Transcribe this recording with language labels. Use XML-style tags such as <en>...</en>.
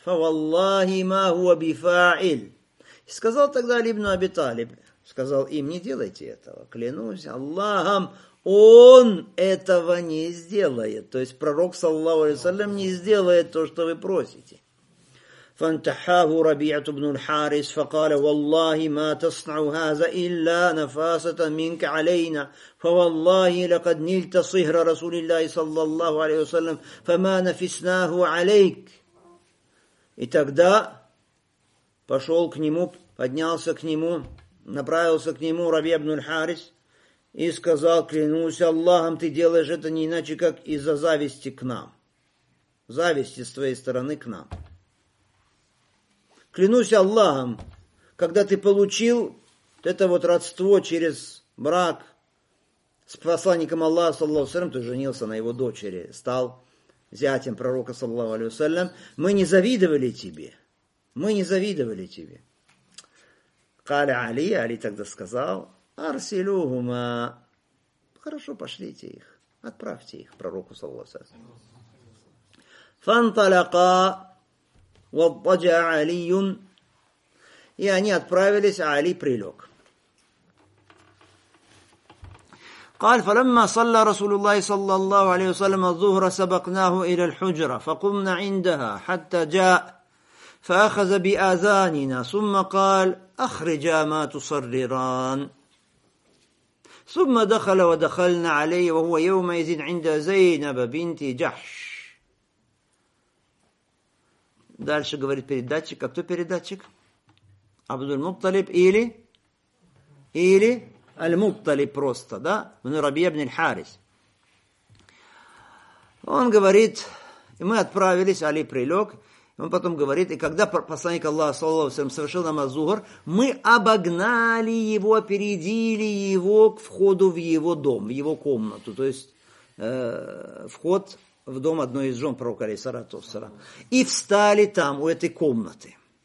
<ar>Фа валлахи ма хуа бифаиль.</ar> <ru>Сказал тогда Али ибн Аби Талиб, сказал им, не делайте этого, клянусь Аллахом, он этого не сделает. То есть пророк, саллаллаху алейхи ва саллям, не сделает то, что вы просите.</ru> <ar>فانتحاه ربيعة بن الحارث فقال والله ما تصنع هذا إلا نفاسة منك علينا فوالله لقد نلت صهر رسول الله صلى الله عليه وسلم فما نفسناه عليك.</ar> <ru>И тогда пошел к нему, поднялся к нему, направился к нему Рабиа ибн аль-Харис и сказал, клянусь Аллахом, ты делаешь это не иначе, как из-за зависти к нам. Зависти с твоей стороны к нам. Клянусь Аллахом, когда ты получил это вот родство через брак с посланником Аллаха, саллаллаху алейхи ва саллям, то есть женился на его дочери, стал зятем пророка, саллаллаху алейхи ва саллям, мы не завидовали тебе. Мы не завидовали тебе. Каля Али, Али тогда сказал,</ru> <ar>арсилюхума.</ar> <ru>Хорошо, пошлите их. Отправьте их пророку, саллаллаху алейхи ва саллям.</ru> <ar>Фанталака ваддаджа Алиюн.</ar> <ru>И они отправились, а Али прилег.</ru> <ar>قال فلما صلى رسول الله صلى الله عليه وسلم الظهر سبقناه إلى الحجرة فقمنا عندها حتى جاء فأخذ بآذاننا ثم قال أخرجا ما تصرران ثم دخل ودخلنا عليه وهو يومئذ عند زينب بنت جحش.</ar> <ru>Дальше говорит передатчик, а кто передатчик? Абдул-Мутталиб или Аль-Мутталиб просто, да? Мунрабия ибн аль-Харис. Он говорит, и мы отправились, Али прилег, он потом говорит, и когда посланник Аллаха, саллаллаху алейхи ва саллям, совершил намаз зухр, мы обогнали его, опередили его к входу в его дом, в его комнату, то есть вход в дом одной из жен пророка, алейхиссалату вассалям, и встали там, у этой комнаты.</ru>